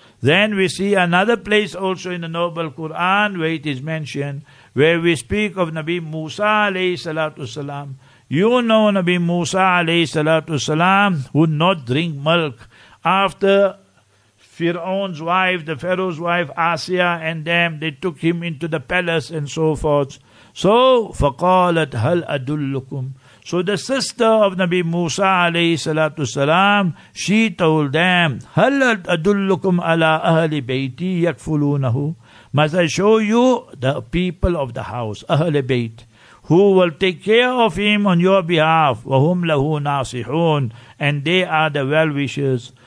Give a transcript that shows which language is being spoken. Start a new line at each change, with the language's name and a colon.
English: Then we see another place also in the Noble Quran where it is mentioned, where we speak of Nabi Musa alayhi salatu salam. You know Nabi Musa alayhi salatu salam would not drink milk. After Fir'aun's wife, the Pharaoh's wife, Asiya and them, they took him into the palace and so forth.
Arabic: So, فَقَالَتْ هَلْ أَدُلُّكُمْ.
English: So the sister of Nabi Musa alayhi salatu salam, she told them,
Arabic: هَلْ أَدُلُّكُمْ عَلَىٰ أَهْلِ بَيْتِي يَكْفُلُونَهُ.
English: Must I show you the people of the house, Ahl Bayt, who will take care of him on your behalf,
Arabic: وَهُمْ لَهُ نَاصِحُونَ,
English: and they are the well-wishers.